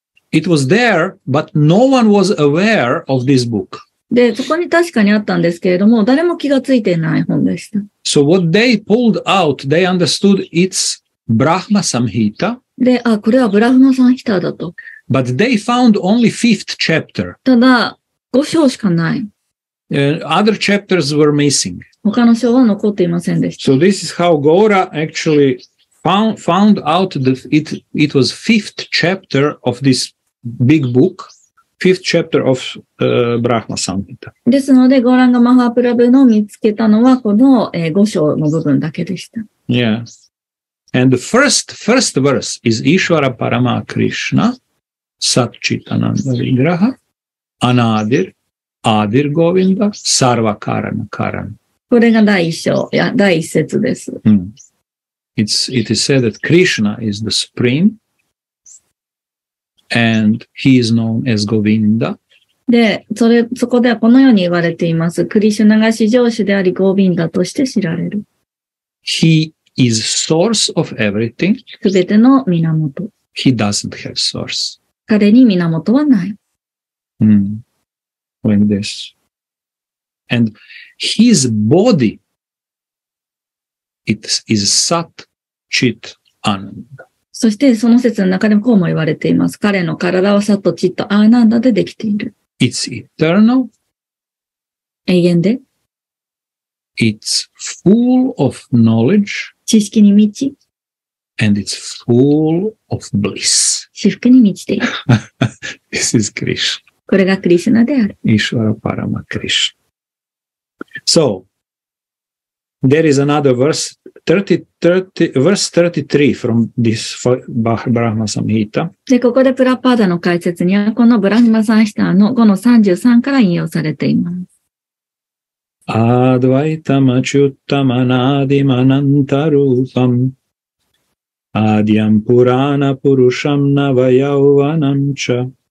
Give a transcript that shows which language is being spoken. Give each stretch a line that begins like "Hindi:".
English: It was there, but no one was aware of this book.
Japanese: で、そこに確かにあったんですけれども、誰も気がついていない本でした。
English: So what they pulled out, they understood it's Brahma Samhita.
Japanese: で、あ、これはブラフマサンヒタだと。
English: But they found only fifth chapter.
Japanese: ただ、五章しかない。
English: Other chapters were missing.
Japanese: 他の章は残っていませんでした。
English: So this is how Gora actually found out that it was fifth chapter of this big book, fifth chapter of Brahma Samhita.
Japanese: ですので、ゴーランガ・マハープラブの見つけたのはこの、五章の部分だけでした。
English: Yes. And the first verse is
Sanskrit: Ishvara Parama Krishna, Sat Chit Ananda Vigraha, Anadir, Adir Govinda, Sarva Karana Karana.
Japanese: これが第一章、いや、第一節です。 Mm.
English: It is said that Krishna is the supreme, and he is known as Govinda.
Japanese: で、それ、そこではこのように言われています。クリシュナが至上主であり、ゴビンダとして知られる。
English: He is source of everything.
Japanese: すべての源。
English: He doesn't have source.
Japanese: 彼に源はない。
English: Mm. When this. And his body, it is Sat Chit Ananda.
Japanese: そしてその説の中でもこうも言われています。彼の体はサトチットアナンダでできている。
English: It's eternal.
Japanese: 永遠で。
English: It's full of knowledge.
Japanese: 知識に満ち。
English: And it's full of bliss.
Japanese: 至福に満ちている。
English: This is Krishna.
Japanese: これがクリシュナである。
Sanskrit: Ishvara Parama Krishna.
English: So, there is another verse, verse 33 from this Brahma Samhita.
Japanese: で、ここでプラパーダの解説には、このブラフマサンヒタの5の33から引用されています。
Sanskrit: アドワイタマチュッタマナディマナンタルーパム、アディアンプラナプルシャムナヴァヤウヴァナンチャ、